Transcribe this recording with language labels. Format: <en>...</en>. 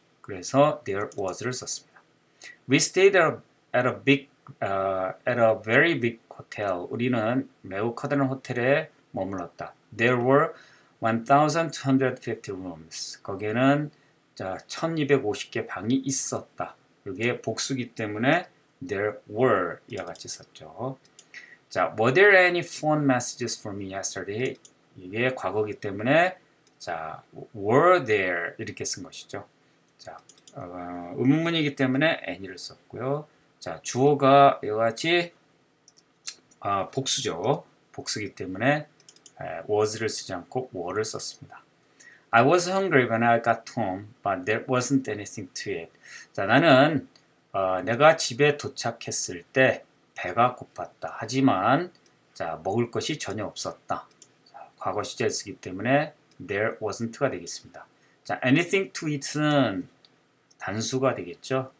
<ko>그래서</ko> <en>there was를</en> <ko>썼습니다.</ko> <en>We stayed at a very big hotel.</en> <ko>우리는 매우 커다란 호텔에 머물렀다.</ko> <en>There were 1,250 rooms.</en> <ko>거기에는 자, 1,250개 방이 있었다. 이게 복수기 때문에</ko> <en>there were</en> <ko>이와 같이 썼죠. 자,</ko> <en>were there any phone messages for me yesterday?</en> <ko>이게 과거기 때문에 자,</ko> <en>were there</en> <ko>이렇게 쓴 것이죠. 자, 의문문이기 때문에 any를 썼고요. 자, 주어가 이와 같이 복수죠. 복수기 때문에 was를 쓰지 않고 were를 썼습니다.</ko> <en>I was hungry when I got home, but there wasn't anything to eat.</en> <ko>자, 나는 내가 집에 도착했을 때 배가 고팠다. 하지만 자, 먹을 것이 전혀 없었다. 자, 과거 시제 쓰기 때문에</ko> <en>there wasn't</en> <ko>가 되겠습니다. 자,</ko> <en>anything to it</en> <ko>은 단수가 되겠죠.</ko>